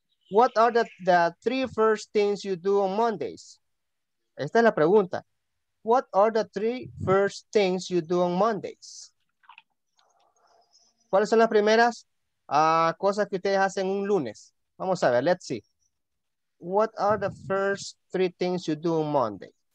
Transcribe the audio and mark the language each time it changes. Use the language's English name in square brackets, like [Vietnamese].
[English] What are the three first things you do on Mondays? [Spanish] Esta es la pregunta. [English] What are the three first things you do on Mondays? [Spanish] ¿Cuáles son las primeras cosas que ustedes hacen un lunes? Vamos a ver, [English] let's see. What are the first three things you do on Monday?